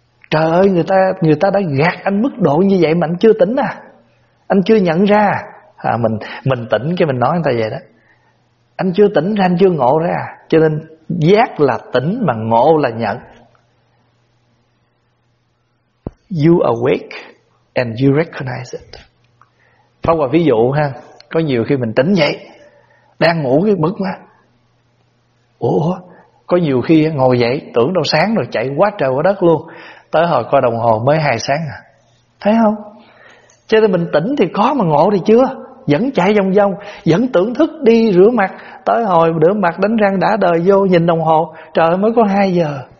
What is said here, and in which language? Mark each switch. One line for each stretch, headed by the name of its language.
Vietnamese: Trời ơi, người ta đã gạt anh mức độ như vậy mà anh chưa tỉnh à? Anh chưa nhận ra à? Mình tỉnh cái mình nói người ta vậy đó. Anh chưa tỉnh ra, anh chưa ngộ ra. Cho nên giác là tỉnh mà ngộ là nhận.
English: You awake and you recognize it.
Vietnamese: Pháp Hòa ví dụ ha, có nhiều khi mình tỉnh dậy, đang ngủ cái bực mà, ủa, có nhiều khi ngồi dậy tưởng đâu sáng rồi, chạy quá trời quá đất luôn, tới hồi coi đồng hồ mới 2 sáng à, thấy không? Cho nên mình tỉnh thì có, mà ngộ thì chưa, vẫn chạy vòng vòng, vẫn tưởng thức đi rửa mặt, tới hồi rửa mặt đánh răng đã đời vô nhìn đồng hồ, trời mới có 2 giờ.